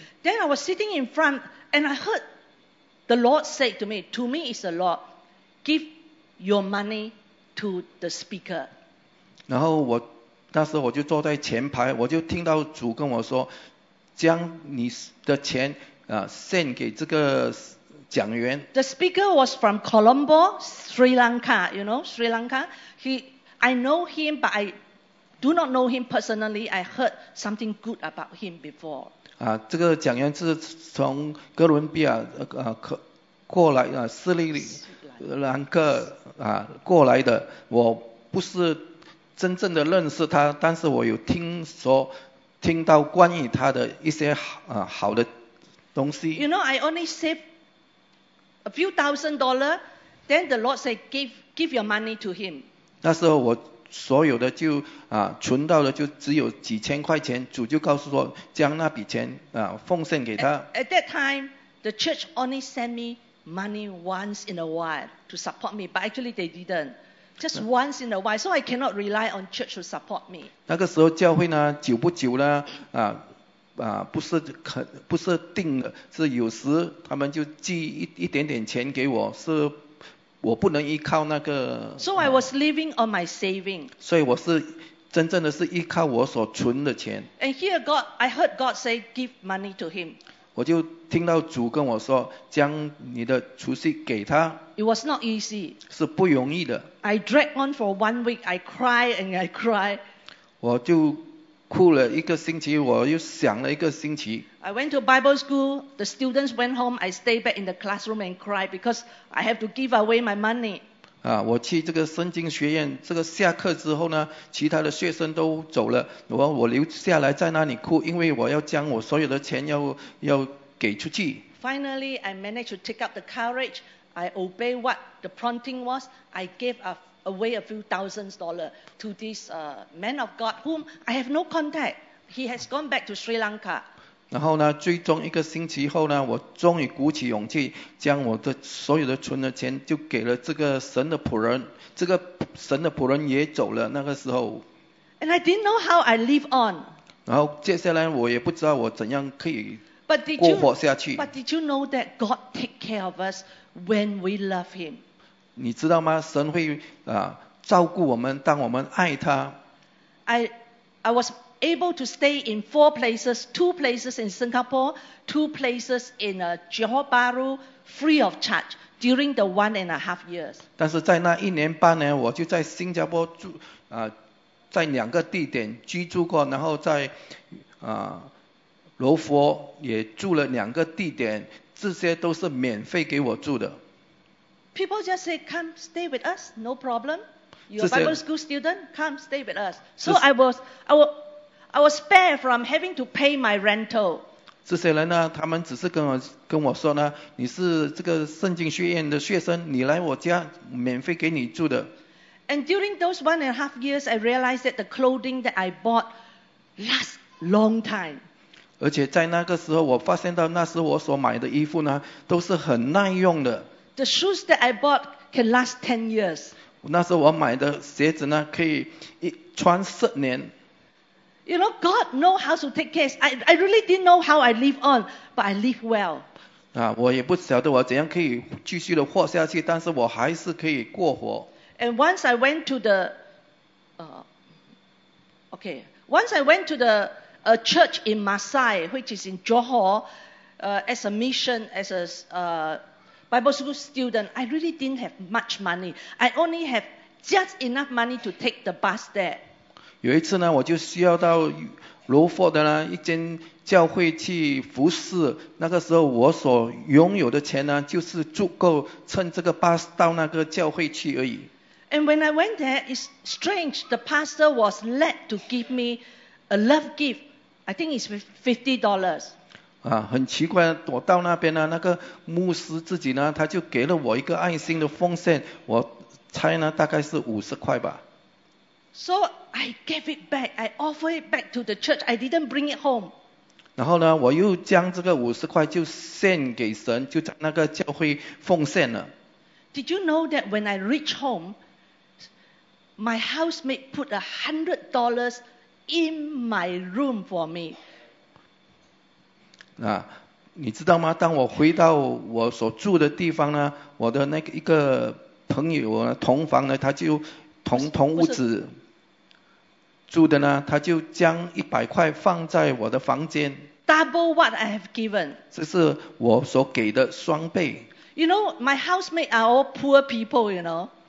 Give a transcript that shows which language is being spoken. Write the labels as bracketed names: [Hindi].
[English] Then I was sitting in front and I heard the Lord say to me is the Lord, give your money to the speaker. [Chinese] 然后我那时候我就坐在前排，我就听到主跟我说，将你的钱献给这个。 [English] The speaker was from Colombo, Sri Lanka, you know, Sri Lanka. I know him, but I do not know him personally. I heard something good about him before. [Chinese] 这个讲员是从哥伦比亚过来斯里兰克过来的。我不是真正的认识他，但是我有听到关于他的一些好的东西。 [English] You know, I only saveA few thousand dollar, then the Lord said, give your money to him. [Chinese] 那时候我所有的就存到了就只有几千块钱，主就告诉说将那笔钱奉献给他。 [English] At that time, the church only sent me money once in a while to support me, but actually they didn't. Just once in a while, so I cannot rely on church to support me. [Chinese] 那个时候教会呢，久不久呢不是定的，是有时他们就寄一点点钱给我，是我不能依靠那个。 [English] So I was living on my saving. [Chinese] 所以我是真正的是依靠我所存的钱。 [English] And here God, I heard God say, give money to him. [Chinese] 我就听到主跟我说，将你的储蓄给他。 [English] It was not easy. [Chinese] 是不容易的。 [English] I dragged on for 1 week. I cried and I cried. [Chinese] 我就。哭了一个星期，我又想了一个星期。 [English] I went to Bible school. The students went home. I stayed back in the classroom and cried because I have to give away my money. [Chinese] 我去这个圣经学院，这个下课之后呢，其他的学生都走了，我留下来在那里哭，因为我要将我所有的钱要给出去。 [English] Finally, I managed to take up the courage. I obeyed what the prompting was. I gave away a few $1,000s to this man of God whom I have no contact. He has gone back to Sri Lanka. [Chinese] 然后呢，最终一个星期后呢，我终于鼓起勇气，将我的所有的存的钱就给了这个神的仆人。这个神的仆人也走了。那个时候 [English] ，And I didn't know how I live on. [Chinese] 然后接下来我也不知道我怎样可以过活下去。 [English] But did you know that God take care of us when we love Him? [Chinese] 你知道吗？神会照顾我们，当我们爱他。 [English] I was. Able to stay in four places, two places in Singapore, two places in Johor Bahru, free of charge during the 1.5 years. [Chinese] 但是在那一年半呢，我就在新加坡住在两个地点居住过，然后在罗佛也住了两个地点，这些都是免费给我住的。 [English] People just say, "Come stay with us, no problem. You're a Bible school student, come stay with us." So I was spared from having to pay my rental. [Chinese] 这些人呢，他们只是跟我说呢，你是这个圣经学院的学生，你来我家，免费给你住的。 [English] And during those 1.5 years, I realized that the clothing that I bought lasts long time. [Chinese] 而且在那个时候，我发现到那时我所买的衣服呢，都是很耐用的。 [English] The shoes that I bought can last 10 years. [Chinese] 那时我买的鞋子呢，可以穿10年。 [English] You know, God knows how to take care. I really didn't know how I live on, but I live well. [Chinese] 我也不晓得我怎样可以继续的活下去，但是我还是可以过活。 [English] And once I went to the, church in Masai, which is in Johor, as a mission, as a Bible school student, I really didn't have much money. I only have just enough money to take the bus there. [Chinese] 有一次呢，我就需要到罗佛的呢一间教会去服侍。那个时候我所拥有的钱呢，就是足够乘这个 bus 到那个教会去而已。 [English] And when I went there, it's strange. The pastor was led to give me a love gift. I think it's $50. [Chinese] 很奇怪，我到那边呢，那个牧师自己呢，他就给了我一个爱心的奉献，我猜呢大概是$50吧。 [English] So I gave it back. I offered it back to the church. I didn't bring it home. [Chinese] 然后呢，我又将这个$50就献给神，就在那个教会奉献了。 [English] Did you know that when I reached home, my housemate put $100 in my room for me? [Chinese] 你知道吗？当我回到我所住的地方呢，我的那个一个朋友同房呢，他就同屋子。住的呢，他就将$100放在我的房间。 [English] Double what I have given. [Chinese] 这是我所给的双倍。 [English] You know, my housemates are all poor people, you know.